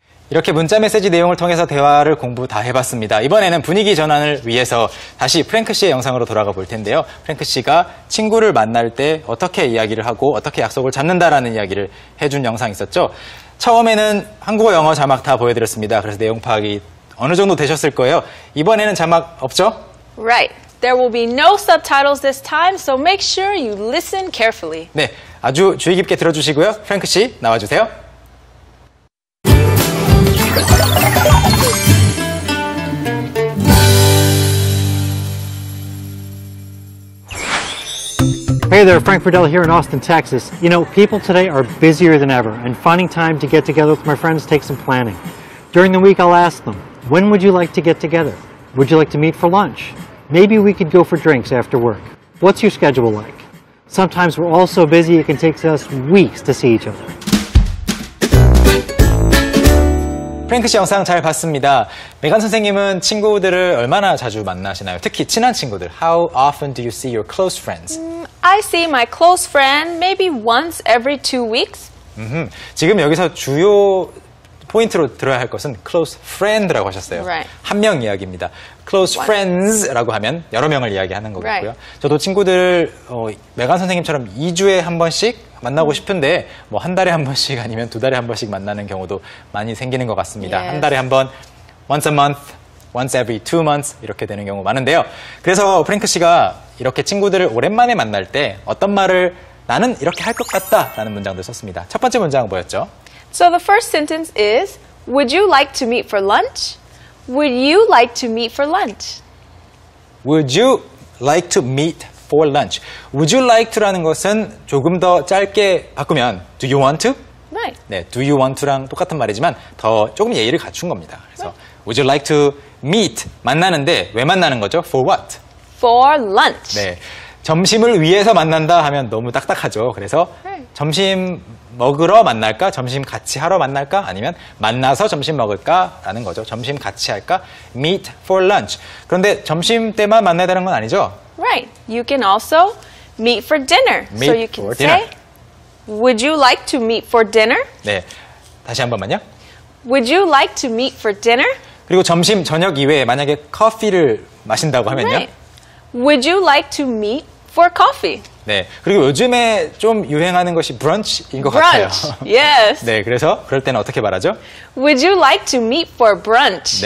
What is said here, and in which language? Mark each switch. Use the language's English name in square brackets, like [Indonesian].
[Korean] 이렇게 문자 메시지 내용을 통해서 대화를 공부 다 해봤습니다. 이번에는 분위기 전환을 위해서 다시 프랭크 씨의 영상으로 돌아가 볼 텐데요. 프랭크 씨가 친구를 만날 때 어떻게 이야기를 하고 어떻게 약속을 잡는다라는 이야기를 해준 영상 있었죠. 처음에는 한국어, 영어 자막 다 보여드렸습니다. 그래서 내용 파악이 어느 정도 되셨을 거예요. 이번에는 자막 없죠? [English] Right. There will be no subtitles this time, so make sure you listen carefully. [Korean] 네, 아주 주의 깊게 들어주시고요. 프랭크 씨, 나와주세요. [English] Hey there, Frank Verdell here in Austin, Texas. You know, people today are busier than ever, and finding time to get together with my friends takes some planning. During the week, I'll ask them, when would you like to get together? Would you like to meet for lunch? Maybe we could go for drinks after work. What's your schedule like? Sometimes we're all so busy it can take us weeks to see each other. [Korean] 프랭크 씨 영상 잘 봤습니다. 메간 선생님은 친구들을 얼마나 자주 만나시나요? 특히 친한 친구들. [English] How often do you see your close friends? I see my close friend maybe once every two weeks. [Korean] 지금 여기서 주요 포인트로 들어야 할 것은 [English] close friend [Korean] 라고 하셨어요. [English] Right. [Korean] 한 명 이야기입니다. [English] close friends [Korean] 라고 하면 여러 명을 이야기하는 거겠고요. [English] Right. [Korean] 저도 친구들 메간 선생님처럼 2주에 한 번씩 만나고 싶은데 뭐 한 달에 한 번씩 아니면 두 달에 한 번씩 만나는 경우도 많이 생기는 것 같습니다. [English] Yes. [Korean] 한 달에 한 번, [English] once a month, once every two months [Korean] 이렇게 되는 경우 많은데요. 그래서 프랭크 씨가 이렇게 친구들을 오랜만에 만날 때 어떤 말을 나는 이렇게 할 것 같다 라는 문장도 썼습니다. 첫 번째 문장은 뭐였죠? [English] So the first sentence is, would you like to meet for lunch? Would you like to meet for lunch? Would you like to meet for lunch? Would you like to [Korean] 라는 것은 조금 더 짧게 바꾸면 [English] do you want to? Right. [Korean] 네, [English] do you want to [Korean] 랑 똑같은 말이지만 더 조금 예의를 갖춘 겁니다. 그래서 [English] right. would you like to meet [Korean] 만나는데 왜 만나는 거죠? [English] For what? For lunch. [Korean] 네. 점심을 위해서 만난다 하면 너무 딱딱하죠. 그래서 [English] right. [Korean] 점심 먹으러 만날까? 점심 같이 하러 만날까? 아니면 만나서 점심 먹을까? 라는 거죠. 점심 같이 할까? [English] Meet for lunch. [Korean] 그런데 점심 때만 만나야 되는 건 아니죠? [English] Right. You can also meet for dinner. Meet so you can say, would you like to meet for dinner? [Korean] 네. 다시 한 번만요. [English] Would you like to meet for dinner? [Korean] 그리고 점심, 저녁 이외에 만약에 커피를 마신다고 하면요. [English] Right. Would you like to meet for coffee? [Korean] 네, 그리고 요즘에 좀 유행하는 것이 브런치인 것 [English] brunch, [Korean] 같아요. 브런치, [English] yes. [Korean] 네, 그래서 그럴 때는 어떻게 말하죠? [English] Would you like to meet for brunch?